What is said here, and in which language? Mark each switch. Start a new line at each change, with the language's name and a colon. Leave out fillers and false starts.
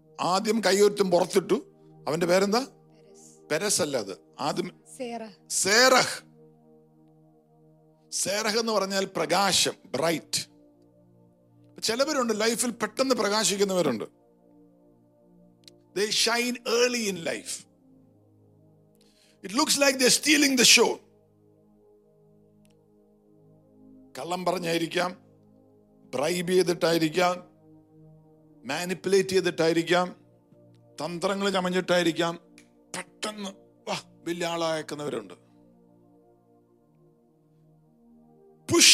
Malayalam: ആദ്യം കൈയൊരുത്തും പുറത്തിട്ടു, അവന്റെ പേരെന്താ? പെരേസ് അല്ല, അത് ആദ്യം സേറഹ്. സേറഹ് എന്ന് പറഞ്ഞാൽ പ്രകാശം, ബ്രൈറ്റ്. ചിലവരുണ്ട് ലൈഫിൽ പെട്ടെന്ന് പ്രകാശിക്കുന്നവരുണ്ട്.
English: They shine early in life. It looks like they're stealing the show.
Malayalam: കള്ളം പറഞ്ഞായിരിക്കാം, ബ്രൈബ് ചെയ്തിട്ടായിരിക്കാം, മാനിപ്പുലേറ്റ് ചെയ്തിട്ടായിരിക്കാം, തന്ത്രങ്ങൾ ചമഞ്ഞിട്ടായിരിക്കാം, പെട്ടെന്ന് വലിയ ആളായേക്കുന്നവരുണ്ട്. Push